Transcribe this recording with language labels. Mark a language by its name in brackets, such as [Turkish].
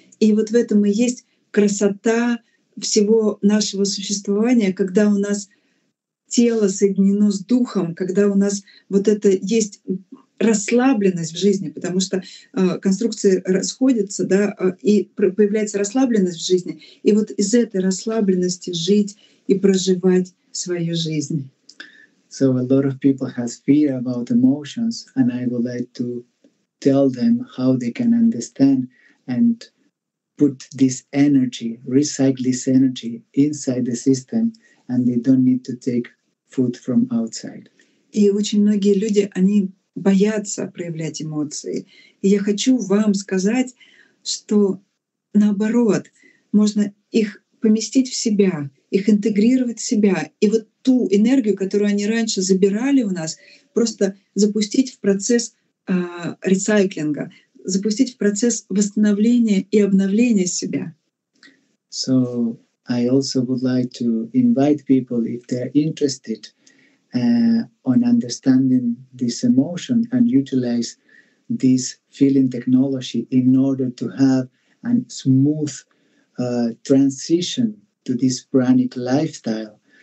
[Russian] И вот в этом и есть красота всего нашего существования, когда у нас тело соединено с духом, когда у нас вот это есть расслабленность в жизни, потому что конструкции расходятся, да, и появляется расслабленность в жизни. И вот из этой расслабленности жить и проживать свою жизнь. [English] So a lot of people has fear about emotions, and I would like to tell them how they can understand and put this energy, recycle this energy inside the system, and they don't need to take food from outside. [Russian] И очень многие люди, они боятся проявлять эмоции. И я хочу вам сказать, что наоборот, можно их поместить в себя, их интегрировать в себя, и вот ту энергию, которую они раньше забирали у нас, просто запустить в процесс ресайклинга, запустить в процесс восстановления и обновления себя. [English] So I also would like to invite people, if they're interested on understanding this emotion and utilize this feeling technology in order to have a smooth transition to this pranic lifestyle.